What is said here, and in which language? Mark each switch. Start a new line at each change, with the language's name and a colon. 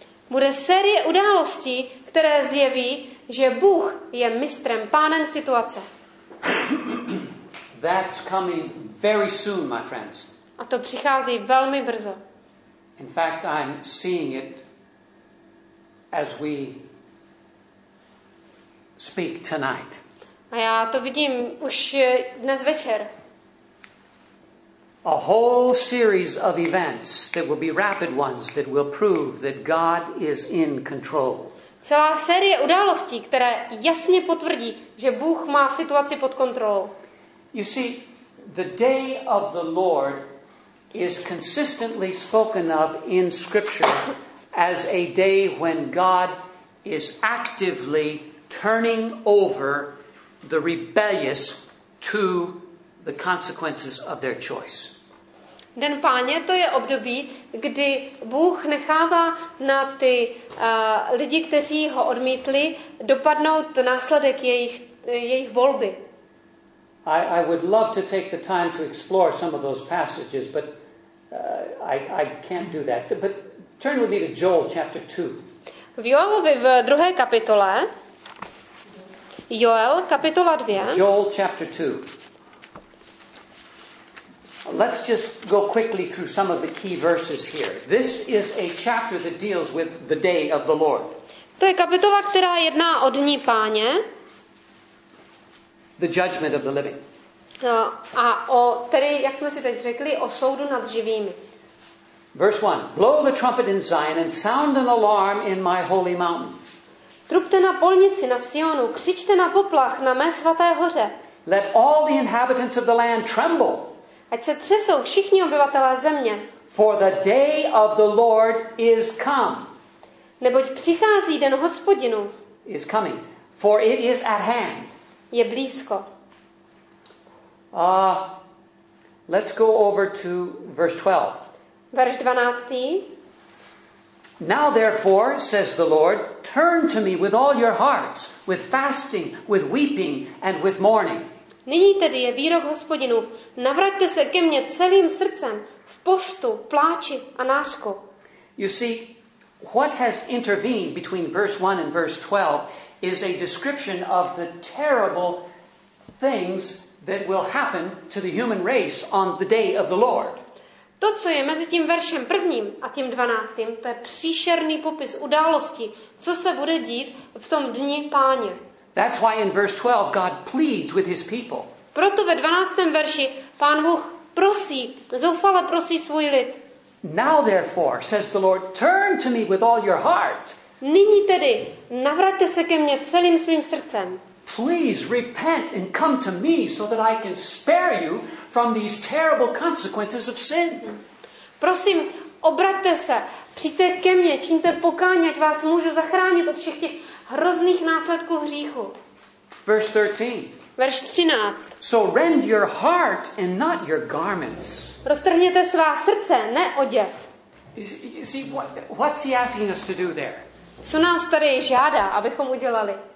Czech: Bude série událostí, které zjeví, že Bůh je mistrem, pánem situace.
English: That's coming very soon, my friends.
Czech: A to přichází velmi brzo.
English: In fact, I'm seeing it as we speak tonight.
Czech: A já to vidím už dnes večer.
English: A whole series of events that will be rapid ones that will prove that God is in control.
Czech: Celá série událostí, které jasně potvrdí, že Bůh má situaci pod kontrolou.
English: You see, the day of the Lord is consistently spoken of in Scripture as a day when God is actively turning over the rebellious to the consequences of their choice.
Czech: Den Páně, to je období, kdy Bůh nechává na ty lidi, kteří ho odmítli, dopadnout následek jejich volby.
English: I would love to take the time to explore some of those passages, but I can't do that. But turn with me to Joel chapter 2.
Czech: V Joelovi v druhé kapitole. Joel kapitola 2.
English: Joel chapter 2. Let's just go quickly through some of the key verses here. This is a chapter that deals with the day of the Lord.
Czech: To je kapitola, která jedná o dní Páně.
English: The judgment of the living.
Czech: A o tedy, jak jsme si teď řekli, o soudu nad živými.
English: Verse 1. Blow the trumpet in Zion and sound an alarm in my holy mountain.
Czech: Trubte na polnici na Sionu, křičte na poplach na mé svaté hoře.
English: Let all the inhabitants of the land tremble.
Czech: Ať se třesou všichni obyvatelé země.
English: For the day of the Lord is come.
Czech: Neboť přichází den Hospodinu.
English: Is coming. For it is at hand.
Czech: Je blízko.
English: Let's go over to verse 12.
Czech: Verš 12.
English: Now therefore, says the Lord, turn to me with all your hearts, with fasting, with weeping, and with mourning.
Czech: Nyní tedy je výrok Hospodinův, navraťte se ke mně celým srdcem, v postu, pláči a nářku.
English: You see, what has intervened between verse 1 and verse 12 is a description of the terrible things that will happen to the human race on the day of the Lord.
Czech: To, co je mezi tím veršem prvním a tím 12., to je příšerný popis události, co se bude dít v tom dni Páně.
English: That's why in verse 12 God pleads with his people.
Czech: Proto ve 12. verši Pán Bůh prosí, zoufale prosí svůj lid.
English: Now therefore, says the Lord, turn to me with all your heart.
Czech: Nyní tedy, navraťte se ke mně celým svým srdcem.
English: Please repent and come to me so that I can spare you from these terrible consequences of sin.
Czech: Prosím, obraťte se, přijďte ke mně, čiňte pokání, ať vás můžu zachránit od všech těch hrozných následků hříchu.
English: Verse 13.
Czech: Verš 13.
English: So rend your heart and not your garments.
Czech: Roztrhněte svá srdce, ne oděv.
English: See, what's he asking us to do there?
Czech: Co nás tady žádá, abychom udělali?